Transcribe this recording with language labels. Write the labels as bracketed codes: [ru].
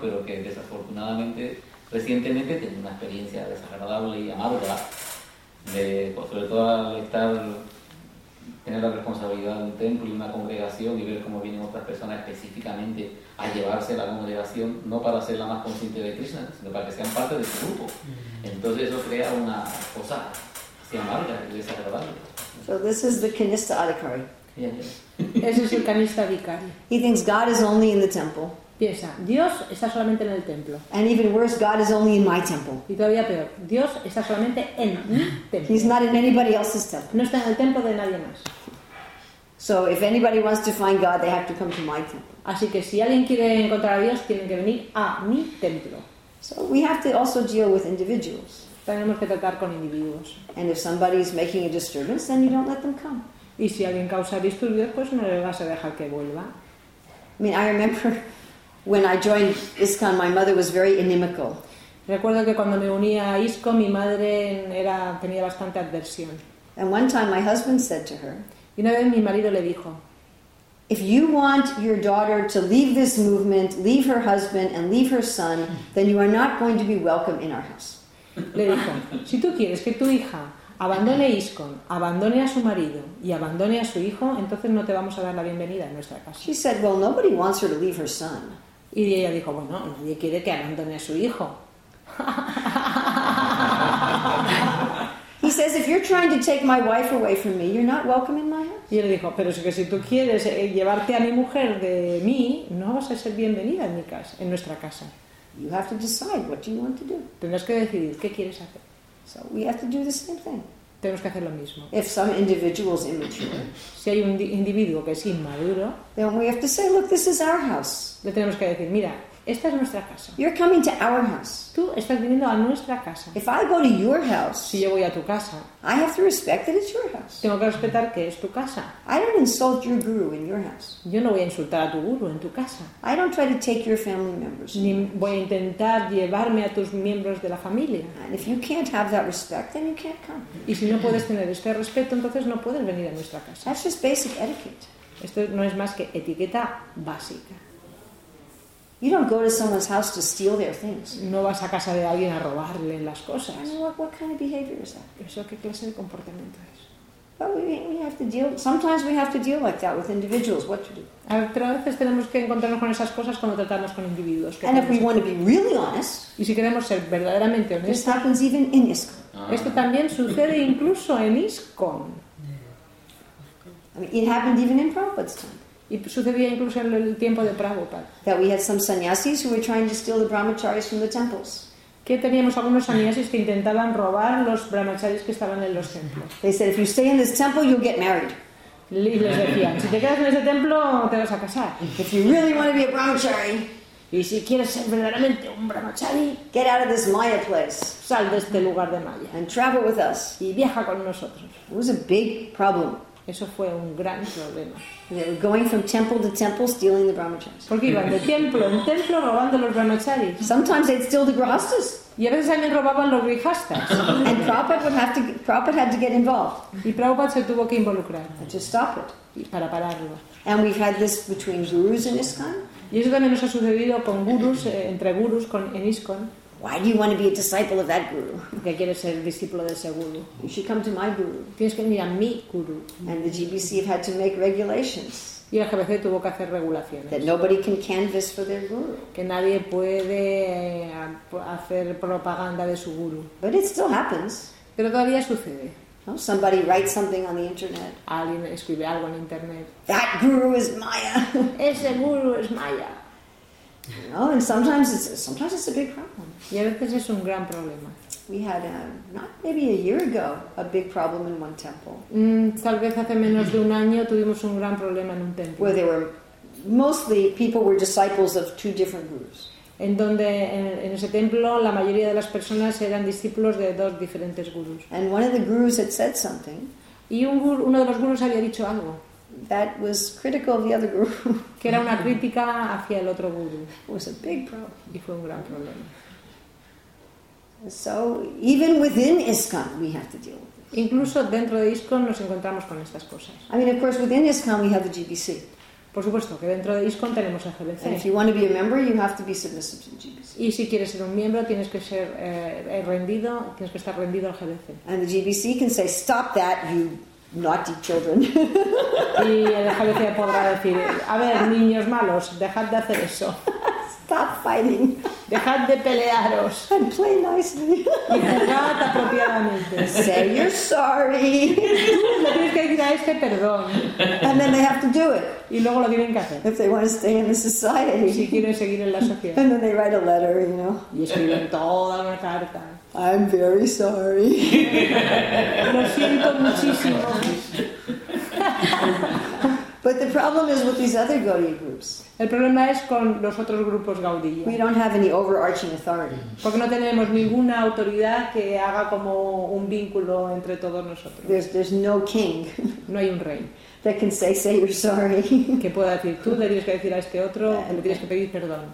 [es] Pero que desafortunadamente recientemente he tenido una experiencia desagradable y amarga, de, pues, sobre todo al estar, tener la responsabilidad de un templo y una congregación y ver cómo vienen otras personas específicamente a llevarse la congregación, no para hacerla más consciente de Krishna, sino para que sean parte de su grupo. Entonces eso crea una cosa así amarga y desagradable. [en] So this is the Kanista Adhikari. [es] Ese es el Kanista Adhikari. [en] He thinks God is only in the temple. [es] Piensa, Dios está solamente en el templo. [en] And even worse, God is only in my temple. [es] Y todavía peor, Dios está solamente en mi templo. [en] He's not in anybody else's temple. [es] No está en el templo de nadie más. [en] So if anybody wants to find God, they have to come to my temple. [es] Así que si alguien quiere encontrar a Dios, tienen que venir a mi templo. [en] So we have to also deal with individuals. [es] Tenemos que tratar con individuos. [en] And if somebody is making a disturbance, then you don't let them come. [es] Y si alguien causa disturbios, pues no le vas a dejar que vuelva. [en] I mean, I remember when I joined ISKCON, my mother was very inimical. [es] Recuerdo que cuando me uní a ISKCON, mi madre era, tenía bastante adversión. [en] And one time my husband said to her, [es] y una vez mi marido le dijo, [en] if you want your daughter to leave this movement, leave her husband and leave her son, then you are not going to be welcome in our house. [es] Le dijo, si tú quieres que tu hija abandone ISKCON, abandone a su marido y abandone a su hijo, entonces no te vamos a dar la bienvenida en nuestra casa. [en] She said, well, nobody wants her to leave her son. [es] Y ella dijo, bueno, nadie quiere que abandone a su hijo. [en] He says, if you're trying to take my wife away from me, you're not welcome in my house. [es] Y él dijo, pero es que si tú quieres llevarte a mi mujer de mí, no vas a ser bienvenida en mi casa, en nuestra casa. [en] You have to decide what you want to do. [es] Tienes que decidir qué quieres hacer. [en] So we have to do the same thing. [es] Tenemos que hacer lo mismo. [en] If some individual is immature, [es] si hay un individuo que es inmaduro, [en] then we have to say, look, this is our house. [es] Le tenemos que decir, mira, esta es nuestra casa. [en] You're coming to our house. [es] Tú estás viniendo a nuestra casa. [en] If I go to your house, [es] si yo voy a tu casa, [en] I have to respect that it's your house. [es] Tengo que respetar que es tu casa. [en] I don't insult your guru in your house. [es] Yo no voy a insultar a tu guru en tu casa. [en] I don't try to take your family members. [es] Ni voy a intentar llevarme a tus miembros de la familia. [en] And if you can't have that respect, then you can't come. [es] Y si no puedes tener este respeto, entonces no puedes venir a nuestra casa. [en] That's just basic etiquette. [es] Esto no es más que etiqueta básica. [en] You don't go to someone's house to steal their things. [es] No vas a casa de alguien a robarle las cosas. [en] I mean, what kind of behavior is that? [es] ¿Eso qué clase de comportamiento es? [en] But we have to deal. Sometimes we have to deal like that with individuals. What to do? [es] A veces tenemos que encontrarnos con esas cosas cuando tratamos con individuos. [en] And if we want to be really honest, [es] y si queremos ser verdaderamente honestos, [en] this happens even in ISKCON. [es] Esto también sucede incluso en ISKCON. [en] I mean, it happened even in Prabhupada's time. [es] Y sucedía incluso en el tiempo de Prabhupada. [en] That we had some sannyasis who were trying to steal the brahmacharis from the temples. [es] Que teníamos algunos sannyasis que intentaban robar los brahmacharis que estaban en los templos. [en] They said, if you stay in this temple, you'll get married. [es] Y les decían, si te quedas en ese templo, te vas a casar. [en] If you really want to be a brahmachari, [es] y si quieres ser verdaderamente un brahmachari, [en] get out of this Maya place. [es] Sal de este lugar de Maya. [en] And travel with us. [es] Y viaja con nosotros. [en] It was a big problem. [es] Eso fue un gran problema. [en] Yeah, going from temple to temple stealing the brahmacharis. [es] Porque iban de templo en templo robando los brahmacharis. [en] Sometimes they'd steal the grihastas. [es] Y a veces también robaban los grihastas. [en] And Prabhupada would have to, Prabhupada had to get involved. [es] Y Prabhupada se tuvo que involucrar. [en] And to stop it. [es] Y para pararlo. [en] And we've had this between gurus and ISKCON. [es] Y eso también nos ha sucedido con gurus, entre gurus con en ISKCON. [en] Why do you want to be a disciple of that guru? [es] ¿Qué quieres ser discípulo de ese guru? [en] You should come to my guru. [es] Tienes que venir a mi guru. [en] And the GBC have had to make regulations. [es] Y la GBC tuvo que hacer regulaciones. [en] That nobody can canvass for their guru. [es] Que nadie puede hacer propaganda de su guru. [en] But it still happens. [es] Pero todavía sucede. [en] No? Somebody writes something on the internet. [es] Alguien escribe algo en internet. [en] That guru is Maya. [es] Ese guru es Maya. [en] You know, and sometimes it's a big problem. [es] Y a veces es un gran problema. [en] We had not maybe a year ago a big problem in one temple. [es] Tal vez hace menos de un año tuvimos un gran problema en un templo. [en] Where there were mostly people were disciples of two different gurus. [es] En donde en ese templo la mayoría de las personas eran discípulos de dos diferentes gurus. [en] And one of the gurus had said something. [es] Y uno de los gurus había dicho algo. [en] That was critical of the other guru. [es] Que era una crítica hacia el otro guru. [en] It was a big problem. [es] Y fue un gran problema. [en] So even within ISKCON, we have to deal with this. [es] Incluso dentro de ISKCON nos encontramos con estas cosas. [en] I mean, of course, within ISKCON we have the GBC. [es] Por supuesto que dentro de ISKCON tenemos a GBC. [en] And if you want to be a member, you have to be submissive to the GBC. [es] Y si quieres ser un miembro, tienes que ser rendido, tienes que estar rendido al GBC. [en] And the GBC can say, "Stop that, you naughty children." [es] Y el GBC podrá decir, "A ver, niños malos, dejad de hacer eso." [en] Stop fighting. [es] Dejad de pelearos. [en] And play nicely. [es] Y jugad apropiadamente. [en] Say you're sorry. [es] Le tienes que decir a este perdón. [en] And then they have to do it. [es] Y luego lo tienen que hacer. [en] If they want to stay in the society. [es] Si quieren seguir en la sociedad. [en] And then they write a letter, you know. [es] Y escriben toda una carta. [en] I'm very sorry. [es] Lo siento muchísimo. [en] But the problem is with these other Gaudiya groups. [es] El problema es con los otros grupos Gaudiya. [en] We don't have any overarching authority. [es] Porque no tenemos ninguna autoridad que haga como un vínculo entre todos nosotros. [en] There's no king. [es] No hay un rey. [en] That can say you're sorry. [es] Que pueda decir tú le tienes que decir a este otro que le tienes que pedir perdón.